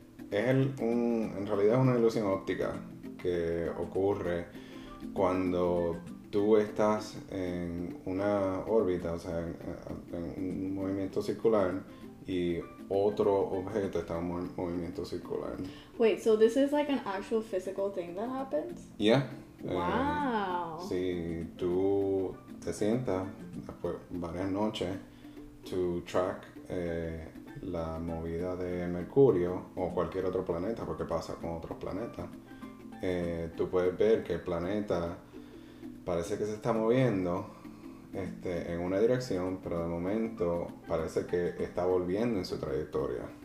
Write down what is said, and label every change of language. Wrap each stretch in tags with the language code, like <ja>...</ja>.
<es>En realidad es una ilusión óptica que ocurre cuando tú estás en una órbita, o sea, en un movimiento circular y otro objeto está en movimiento circular.</es> <en>Wait, so this is like an actual physical thing that happens? Yeah. Wow.</en> <es>Si tú te sientas después varias noches</es> <en>to track</en> <es>la movida de Mercurio o cualquier otro planeta, porque pasa con otros planetas, tú puedes ver que el planeta parece que se está moviendo en una dirección, pero de momento parece que está volviendo en su trayectoria.</es>